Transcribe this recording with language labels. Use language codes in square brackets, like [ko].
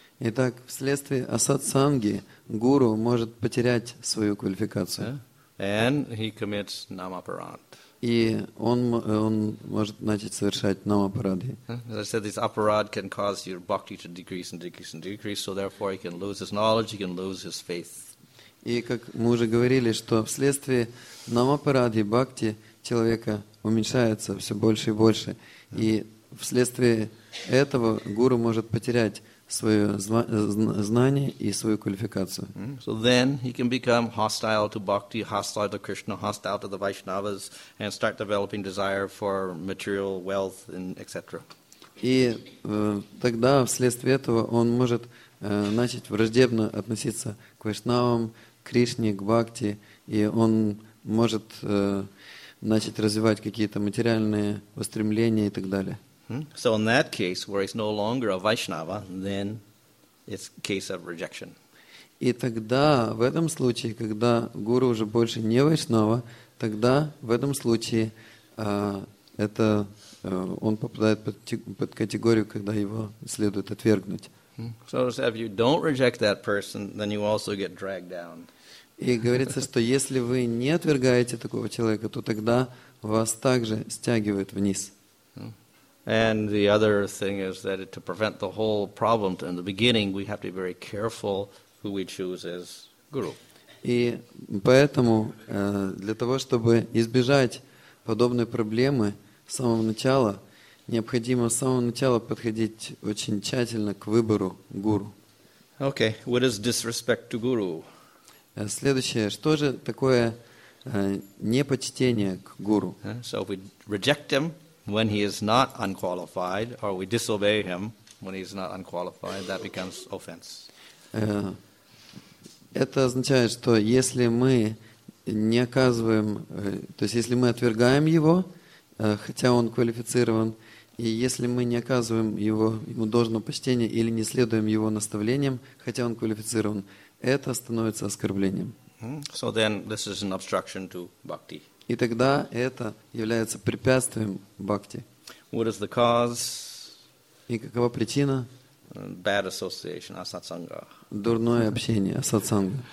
[ru] Итак, вследствие асат санги гуру может потерять свою квалификацию. [en] And he commits namaparad. [ru] И он может начать совершать намапарады. [en] As I said, this aparad can cause your bhakti to decrease and decrease and decrease, so therefore he can lose his knowledge, he can lose his faith. [ru] И как мы уже говорили, что вследствие намапарады бхакти человека уменьшается все больше и больше. И вследствие этого гуру может потерять свое знание и свою квалификацию. [en] So then he can become hostile to bhakti, hostile to Krishna, hostile to the Vaishnavas, and start developing desire for material wealth, and etc. [ru] И тогда вследствие этого он может начать враждебно относиться к вайшнавам, Кришне, к бхакти, и он может начать развивать какие-то материальные устремления и так далее. [en] So in that case, where he's no longer a Vaishnava, then it's a case of rejection. [ru] И тогда, в этом случае, когда гуру уже больше не Вайшнава, тогда, в этом случае, это он попадает под категорию, когда его следует отвергнуть. [en] So if you don't reject that person, then you also get dragged down. [ru] И говорится, что если вы не отвергаете такого человека, то тогда вас также стягивает вниз. [en] And the other thing is that to prevent the whole problem in the beginning, we have to be very careful who we choose as guru. [ru] И поэтому для того, чтобы избежать подобной проблемы с самого начала, необходимо с самого начала подходить очень тщательно к выбору гуру. [en] Okay, what is disrespect to guru? [ru] Следующее, что же такое непочтение к гуру? [en] So if we reject him when he is not unqualified, or we disobey him when he is not unqualified, that becomes offense. [ru] Это означает, что если мы не оказываем, то есть если мы отвергаем его, хотя он квалифицирован, и если мы не оказываем ему должного почтения или не следуем его наставлениям, хотя он квалифицирован, это становится оскорблением. [en] So then this is an obstruction to bhakti. [ru] И тогда это является препятствием бхакти. [en] What is the cause? [ru] И какова причина? [en] Bad association, asatsanga. [ru] Дурное общение, асатсанга.